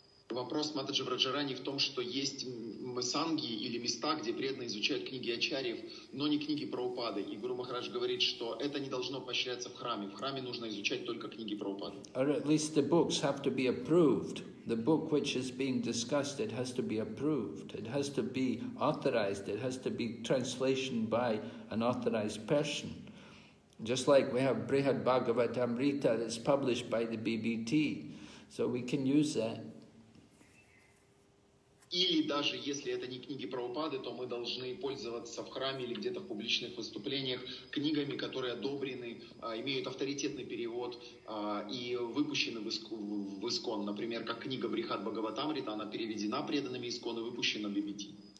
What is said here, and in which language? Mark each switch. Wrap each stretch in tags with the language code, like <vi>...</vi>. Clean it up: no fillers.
<ru>Вопрос Матаджи Враджарани в том, что есть санги или места, где преданные изучают книги ачарьев, но не книги Прабхупады. И Гуру Махарадж говорит, что это не должно поощряться в храме. В храме нужно изучать только книги Прабхупады.</ru> <en>Or at least the books have to be approved. The book which is being discussed, it has to be approved. It has to be authorized. It has to be translation by an authorized person. Just like we have Brihad Bhagavatamrita that's published by the BBT. So we can use that.</en> <ru>Или даже если это не книги Прабхупады, то мы должны пользоваться в храме или где-то в публичных выступлениях. выступлениях книгами, которые одобрены, имеют авторитетный перевод и выпущены в ИСКОН. Например, как книга «Брихат Бхагаватамрита», она переведена преданными ИСКОН и выпущена в BVV.</ru>